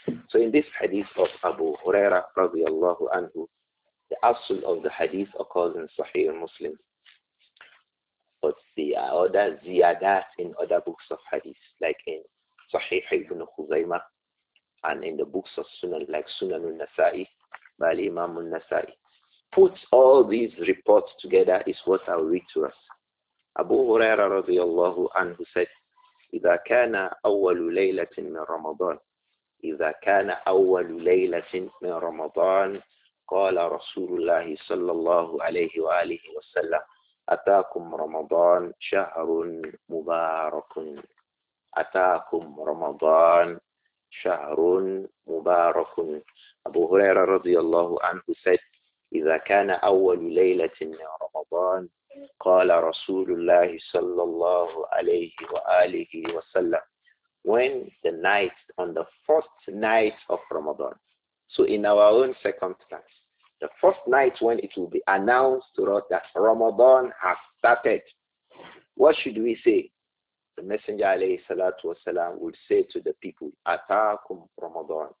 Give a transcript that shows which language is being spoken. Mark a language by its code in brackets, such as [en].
[en] So in this hadith of Abu Huraira radiallahu anhu, the asul of the hadith occurs in Sahih Muslim, but the other ziyadat in other books of hadith, like in Sahih Ibn Khuzaymah and in the books of Sunan, like Sunan al-Nasa'i by Imam al-Nasa'i, puts all these reports together is what I'll read to us. Abu Huraira radiallahu anhu said, [ar] إِذَا كَانَ أَوَّلُ لَيْلَةٍ مِنْ رَمَضَانِ إِذَا كَانَ أَوَّلُ لَيْلَةٍ مِنْ رَمَضَانِ قَالَ رَسُولُ اللَّهِ صَلَّى اللَّهُ عَلَيْهِ وَآلِهِ وَسَلَّمْ أَتَاكُمْ رَمَضَانِ شَهْرٌ مُبَارَكٌ أَتَاكُمْ رَمَضَانِ شَهْرٌ مُبَارَكٌ [en] Abu Huraira radiallahu anhu said, [ar] إِذَا كَانَ أَوَّلُ لَيْلَةٍ مِنْ رَمَضَانِ قال رسول الله صلى الله عليه وآله وسلم. [en] When the night, on the first night of Ramadan. So in our own circumstance, the first night when it will be announced to us that Ramadan has started, what should we say? The Messenger عليه الصلاة والسلام would say to the people, [ar] أتاكم رمضان.